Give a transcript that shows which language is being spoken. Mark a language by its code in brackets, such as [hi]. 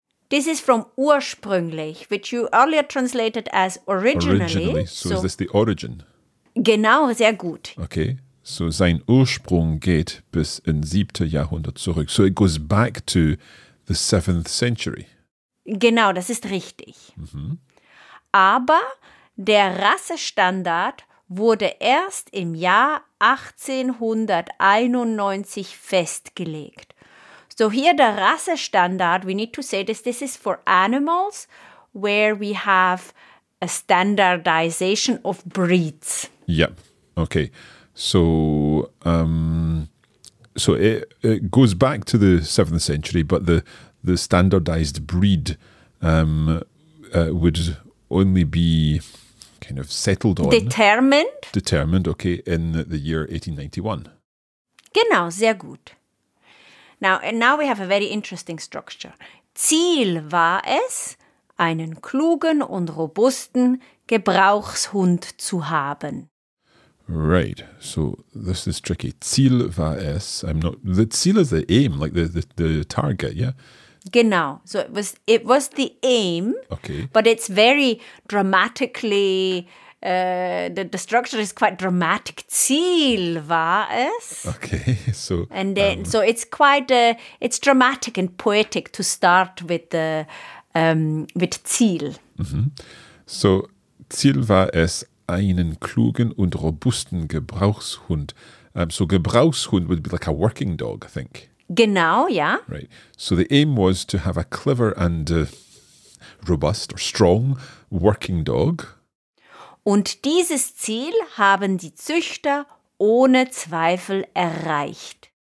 [en] This is from ursprünglich, which you earlier translated as originally. So is this the origin? [de] Genau, sehr gut. Okay, so sein Ursprung geht bis in 7. Jahrhundert zurück. [en] So it goes back to the 7th century. [de] Genau, das ist richtig. Mm-hmm. Aber der Rassestandard wurde erst im Jahr 1891 festgelegt. [en] So here the Rassestandard, we need to say this is for animals where we have a standardization of breeds. Yeah, okay. So so it goes back to the 7th century, but the standardized breed would only be kind of settled on. Determined. Determined, okay, in the year 1891. [de] Genau, sehr gut. [en] Now, and now we have a very interesting structure. [de] Ziel war es, einen klugen und robusten Gebrauchshund zu haben. [en] Right. So this is tricky. [de] Ziel war es. [en] The Ziel is the aim, like the target, yeah? Genau. So it was the aim. Okay. But it's very dramatically, the structure is quite dramatic. [de] Ziel war es. [en] Okay, so. And then, so it's quite, it's dramatic and poetic to start with the, with Ziel. Mm-hmm. [de] So, Ziel war es, einen klugen und robusten Gebrauchshund. [en] So Gebrauchshund would be like a working dog, I think. [de] Genau, yeah. [en] Right. So the aim was to have a clever and robust or strong working dog. [de] Und dieses Ziel haben die Züchter ohne Zweifel erreicht.